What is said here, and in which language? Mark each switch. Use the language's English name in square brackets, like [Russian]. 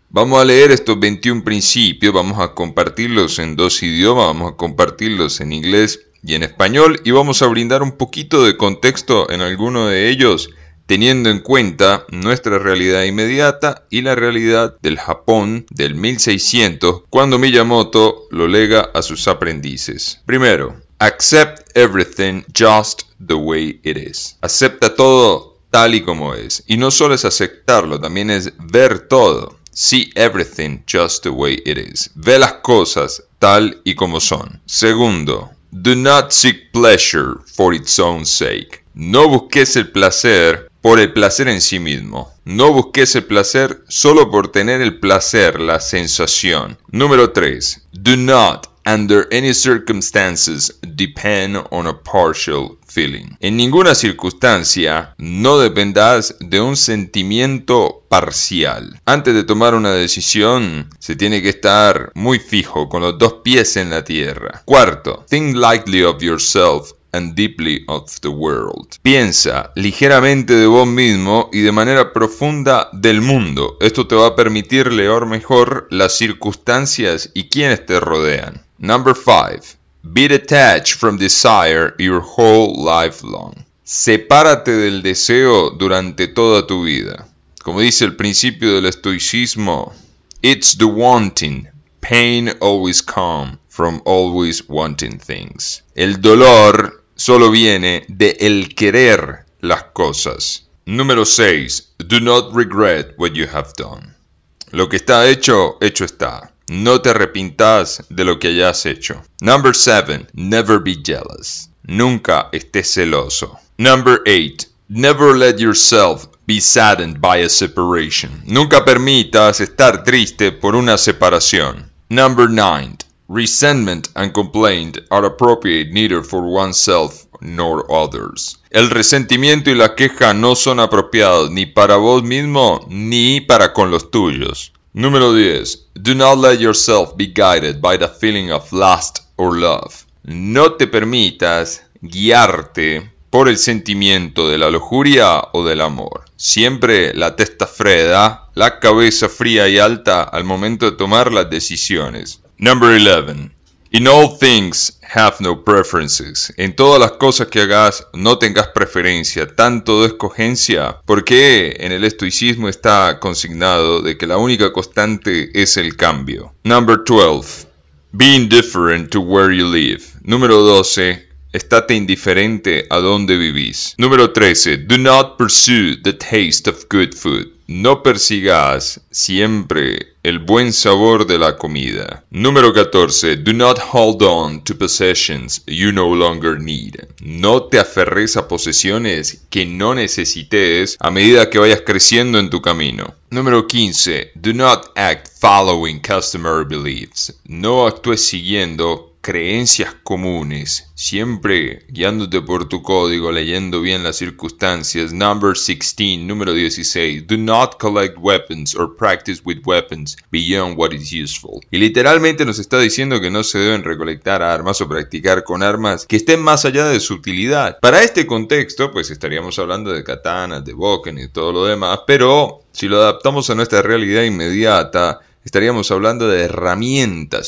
[Spanish] Vamos a leer estos 21 principios, vamos a compartirlos en 2 idiomas, vamos a compartirlos en inglés y en español y vamos a brindar un poquito de contexto en alguno de ellos, teniendo en cuenta nuestra realidad inmediata y la realidad del Japón del 1600, cuando Miyamoto lo lega a sus aprendices. Primero, [English] accept everything just the way it is. [Spanish] Acepta todo tal y como es. Y no solo es aceptarlo, también es ver todo. [English] See everything just the way it is. [Spanish] Ve las cosas tal y como son. Segundo, [English] do not seek pleasure for its own sake. [Spanish] No busques el placer por el placer en sí mismo. No busques el placer solo por tener el placer, la sensación. Número 3. [English] Do not, under any circumstances, depend on a partial feeling. [Spanish] En ninguna circunstancia, no dependas de un sentimiento parcial. Antes de tomar una decisión, se tiene que estar muy fijo, con los dos pies en la tierra. Cuarto. [English] Think lightly of yourself and deeply of the world. [Spanish] Piensa ligeramente de vos mismo y de manera profunda del mundo. Esto te va a permitir leer mejor las circunstancias y quienes te rodean. [English] Number 5. Be detached from desire your whole life long. [Spanish] Sepárate del deseo durante toda tu vida. Como dice el principio del estoicismo, [English] it's the wanting. Pain always comes from always wanting things. [Spanish] El dolor solo viene de el querer las cosas. Número 6. [English] Do not regret what you have done. [Spanish] Lo que está hecho, hecho está. No te arrepintas de lo que hayas hecho. [English] Number 7. Never be jealous. [Spanish] Nunca estés celoso. [English] Number 8. Never let yourself be saddened by a separation. [Spanish] Nunca permitas estar triste por una separación. [English] Number 9. Resentment and complaint are appropriate neither for oneself nor others. [Spanish] El resentimiento y la queja no son apropiados ni para vos mismo ni para con los tuyos. Número 10. [English] Do not let yourself be guided by the feeling of lust or love. [Spanish] No te permitas guiarte por el sentimiento de la lujuria o del amor. Siempre la testa fría, la cabeza fría y alta al momento de tomar las decisiones. [English] Number 11. In all things, have no preferences. [Spanish] En todas las cosas que hagas, no tengas preferencia, tanto de escogencia, porque en el estoicismo está consignado de que la única constante es el cambio. [English] Number 12. Be indifferent to where you live. [Spanish] Número 12. Estate indiferente a dónde vivís. [English] Número 13. Do not pursue the taste of good food. [Spanish] No persigas siempre el buen sabor de la comida. Número 14. [English] Do not hold on to possessions you no longer need. [Spanish] No te aferres a posesiones que no necesites a medida que vayas creciendo en tu camino. Número 15. [English] Do not act following customer beliefs. [Spanish] No actúes siguiendo creencias comunes, siempre guiándote por tu código, leyendo bien las circunstancias. Número 16. Do not collect weapons or practice with weapons beyond what is useful. Y literalmente nos está diciendo que no se deben recolectar armas o practicar con armas que estén más allá de su utilidad. Para este contexto, pues estaríamos hablando de katanas, de boken y todo lo demás, pero si lo adaptamos a nuestra realidad inmediata, estaríamos hablando de herramientas.